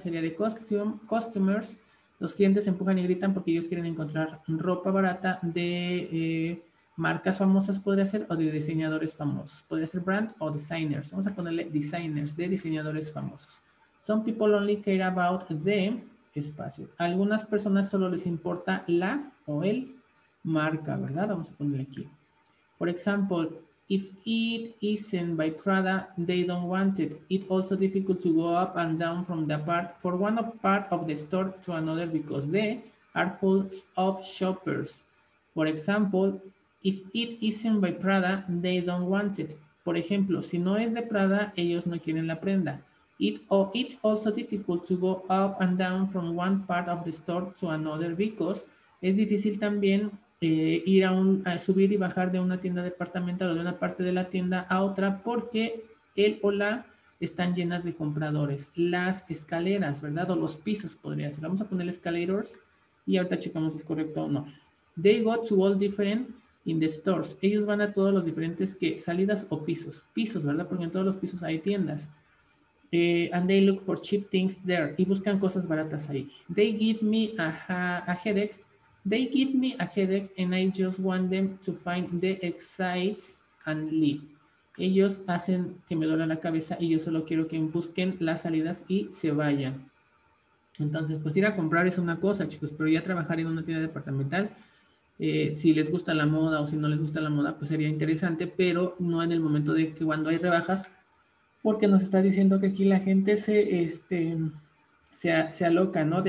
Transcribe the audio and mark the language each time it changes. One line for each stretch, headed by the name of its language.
Spanish: Sería de customers. Los clientes empujan y gritan porque ellos quieren encontrar ropa barata de marcas famosas, podría ser, o de diseñadores famosos. Podría ser brand o designers. Vamos a ponerle designers, de diseñadores famosos.
English: Some people only care about the
Spanish: espacio. Algunas personas solo les importa la o el marca, ¿verdad? Vamos a ponerle aquí.
English: For example, if it isn't by Prada, they don't want it. It's also difficult to go up and down from the part for one part of the store to another because they are full of shoppers. For example, if it isn't by Prada, they don't want it.
Spanish: Por ejemplo, si no es de Prada, ellos no quieren la prenda.
English: It's also difficult to go up and down from one part of the store to another because
Spanish: es difícil también ir a subir y bajar de una tienda departamental o de una parte de la tienda a otra porque él o la están llenas de compradores. Las escaleras, ¿verdad? O los pisos podría ser. Vamos a poner escalators y ahorita checamos si es correcto o no.
English: They go to all different in the stores.
Spanish: Ellos van a todos los diferentes que salidas o pisos. Pisos, ¿verdad? Porque en todos los pisos hay tiendas.
English: And they look for cheap things there.
Spanish: Y buscan cosas baratas ahí.
English: They give me a headache. They give me a headache and I just want them to find the exit and leave.
Spanish: Ellos hacen que me duela la cabeza y yo solo quiero que busquen las salidas y se vayan. Entonces, pues ir a comprar es una cosa, chicos, pero ya trabajar en una tienda departamental, si les gusta la moda o si no les gusta la moda, pues sería interesante, pero no en el momento de que cuando hay rebajas, porque nos está diciendo que aquí la gente se aloca, ¿no?